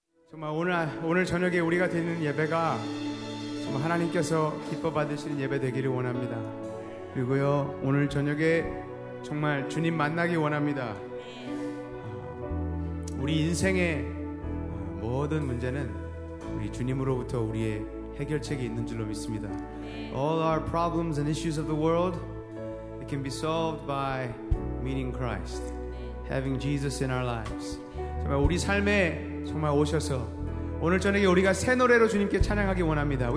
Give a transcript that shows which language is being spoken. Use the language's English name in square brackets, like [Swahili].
[Korean] 정말 오늘 저녁에 우리가 드리는 예배가 정말 하나님께서 기뻐 받으시는 예배 되기를 원합니다. 그리고요, 오늘 저녁에 정말 주님 만나기 원합니다. 우리 인생의 모든 문제는 우리 주님으로부터 우리의 해결책이 있는 줄로 믿습니다. [English] All our problems and issues of the world, it can be solved by meeting Christ, having Jesus in our lives. [Korean] 정말 우리 삶에 정말 오셔서 오늘 저녁에 우리가 새 노래로 주님께 찬양하기 원합니다.